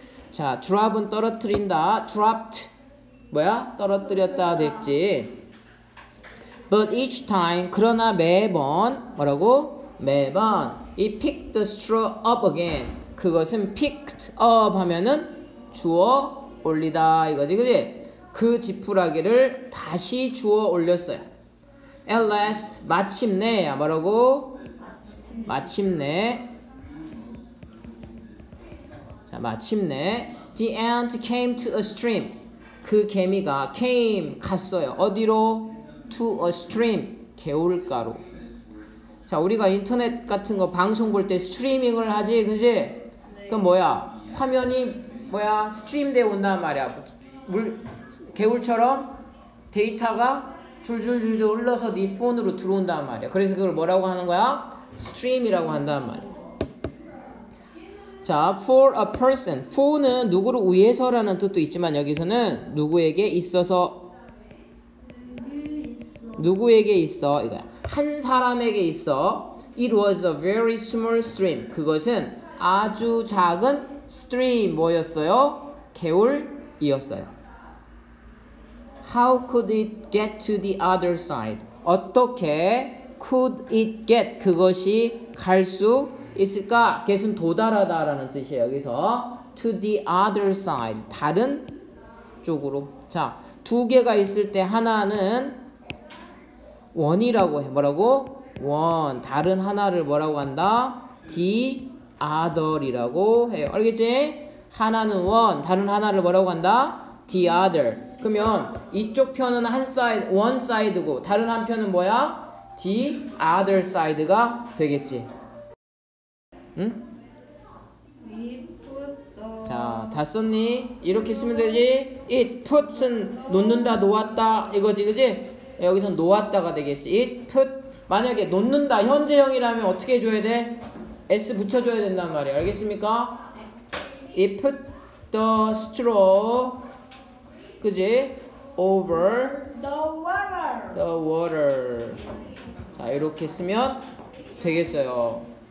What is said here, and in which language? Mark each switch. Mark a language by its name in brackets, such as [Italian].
[Korean] 자, drop은 떨어뜨린다. dropped 뭐야? 떨어뜨렸다 됐지. [English] but each time [Korean] 그러나 매번 뭐라고? [English] 매번 he picked the straw up again. [Korean] 그것은 picked up 하면은 주워 올리다 이거지, 그지? 그 지푸라기를 다시 주워 올렸어요. at last 마침내. 뭐라고? 마침내. 자, 마침내 [English] the ant came to a stream. [Korean] 그 개미가 came 갔어요. 어디로? [English] to a stream 개울가로. [Korean] 자, 우리가 인터넷 같은 거 방송 볼 때 스트리밍을 하지, 그지? 그럼 뭐야? 화면이 뭐야? 스트림 돼 온단 말이야. 물 개울처럼 데이터가 줄줄줄 흘러서 네 폰으로 들어온단 말이야. 그래서 그걸 뭐라고 하는 거야? 스트림이라고 한단 말이야. [English] 자, for a person. [Korean] for는 누구를 위해서라는 뜻도 있지만 여기서는 누구에게 있어서, 누구에게 있어 이거야. 한 사람에게 있어. [English] it was a very small stream. [Korean] 그것은 아주 작은 stream 뭐였어요? 개울이었어요. [English] how could it get to the other side? [Korean] 어떻게 [English] could it get [Korean] 그것이 갈 수 있을까? get은 도달하다 라는 뜻이에요. 여기서 [English] to the other side [Korean] 다른 쪽으로. 자, 두 개가 있을 때 하나는 one이라고 해. 뭐라고? one 다른 하나를 뭐라고 한다? [English] the other [Korean] 이라고 해요. 알겠지? 하나는 one 다른 하나를 뭐라고 한다? [English] the other. [Korean] 그러면 이쪽 편은 한 사이드 [English] one side [Korean] 고 다른 한 편은 뭐야? [English] the other side가 [Korean] 되겠지. 응? [English] We put the [Korean] 자, 다 썼니? 이렇게 쓰면 되지. [English] It put [Korean] 은 놓는다, 놓았다 이거지, 그지? 여기서 놓았다가 되겠지. [English] It put [Korean] 만약에 놓는다 현재형이라면 어떻게 해줘야 돼? S 붙여줘야 된단 말이야. 알겠습니까? [English] It put the straw, 그지? Over the water. The water. [Korean] 자, 이렇게 쓰면 되겠어요.